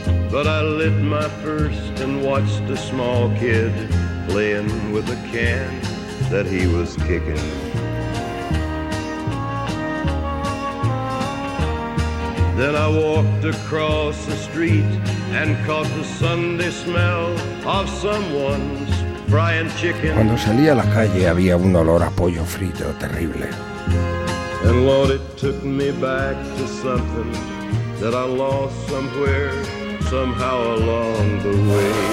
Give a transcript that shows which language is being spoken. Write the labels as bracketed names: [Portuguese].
[English] But I lit my first and watched a small kid playing with a can that he was kicking. Then I walked across the street and caught the Sunday smell of someone's frying chicken. [Spanish] Cuando salí a la calle había un olor a pollo frito terrible. [English] And Lord, it took me back to something that I lost somewhere, somehow along the way.